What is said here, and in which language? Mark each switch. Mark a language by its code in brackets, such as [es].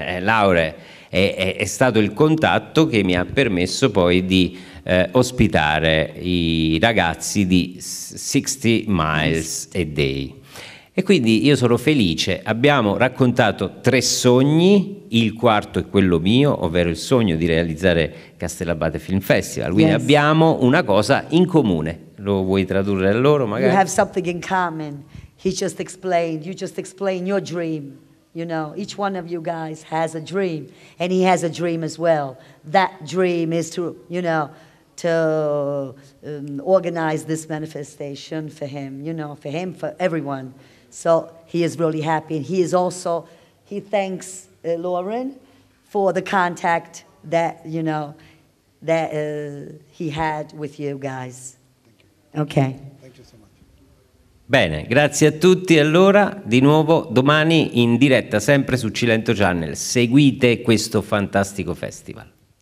[it] Laure è stato il contatto che mi ha permesso poi di ospitare i ragazzi di 60 Miles a Day. E quindi io sono felice, abbiamo raccontato tre sogni, il quarto è quello mio, ovvero il sogno di realizzare Castellabate Film Festival, quindi yes, abbiamo una cosa in comune, lo vuoi tradurre a loro magari? [en] You have something in common, he just explained, you just explained your dream, you know, each one of you guys has a dream, and he has a dream as well, that dream is to, you know, to organize this manifestation for him, you know, for him, for everyone. So he is really happy, and he is also, he thanks Lauren for the contact that, you know, that he had with you guys. Okay. Thank you so much. [it] Bene, grazie a tutti. Allora, di nuovo domani in diretta, sempre su Cilento Channel. Seguite questo fantastico festival.